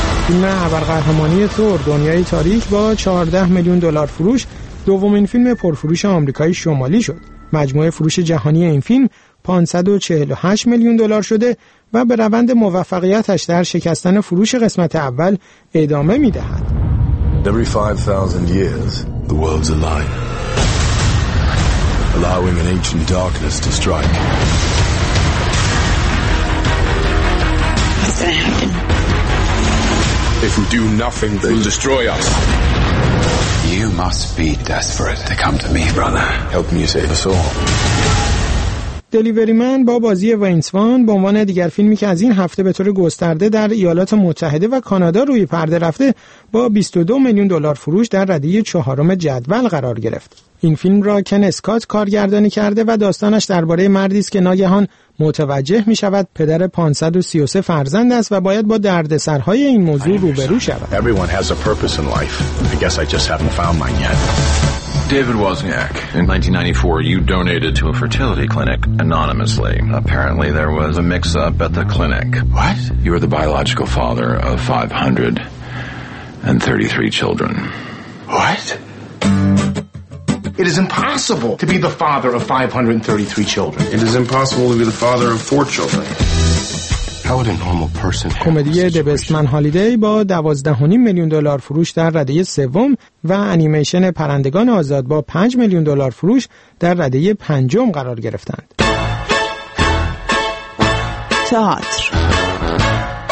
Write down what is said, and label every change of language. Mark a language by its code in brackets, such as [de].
[fa] فیلم ابرقهرمانی تور دنیای تاریک با 14 میلیون دلار فروش دومین فیلم پرفروش آمریکای شمالی شد. مجموع فروش جهانی این فیلم 548 میلیون دلار شده و به روند موفقیتش در شکستن فروش قسمت اول ادامه می‌دهد. [en] Every 5000 years the world's alive. Allowing an ancient darkness to strike. What's going to happen? If we do nothing, they'll destroy us. You must be desperate to come to me, brother. Help me save us all. [fa] دلیوری من با بازی وینس وان به عنوان دیگر فیلمی که از این هفته به طور گسترده در ایالات متحده و کانادا روی پرده رفته با 22 میلیون دلار فروش در رده چهارم جدول قرار گرفت. این فیلم را کن اسکات کارگردانی کرده و داستانش درباره مردی است که ناگهان متوجه می شود پدر 533 فرزند است و باید با دردسرهای این موضوع روبرو شود. [en] Everyone has a purpose in life. I guess I just haven't found mine yet. David Wozniak, in 1994 you donated to a fertility clinic anonymously. Apparently there was a mix up at the clinic. What? You are the biological father of 533 children. What? It is impossible to be the father of 533 children. It is impossible to be the father of 4 children. How would a normal person? [fa] کمدی The Best Man Holiday با 12.5 میلیون دلار فروش در رده سوم و انیمیشن پرندگان آزاد با 5 میلیون دلار فروش در رده پنجم قرار گرفتند. تئاتر.